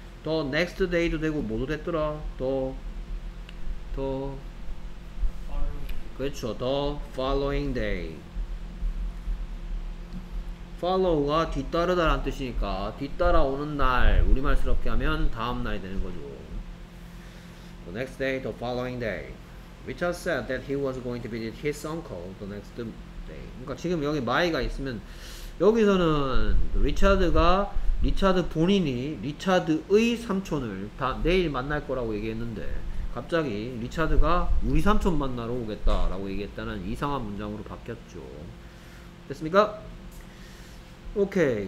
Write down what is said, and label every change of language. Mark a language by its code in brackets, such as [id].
[en] the next day [ko] 도 되고 뭐도 됐더라? the 그렇죠. [en] the following day. [ko] follow가 뒤따르다 라는 뜻이니까 뒤따라오는 날 우리말스럽게 하면 다음날이 되는 거죠. [en] the next day, the following day. Richard said that he was going to visit his uncle the next day. [ko] 그러니까 지금 여기 my가 있으면 여기서는 리차드가 리차드 본인이 리차드의 삼촌을 다 내일 만날 거라고 얘기했는데 갑자기 리차드가 우리 삼촌 만나러 오겠다 라고 얘기했다는 이상한 문장으로 바뀌었죠. 됐습니까? 오케이.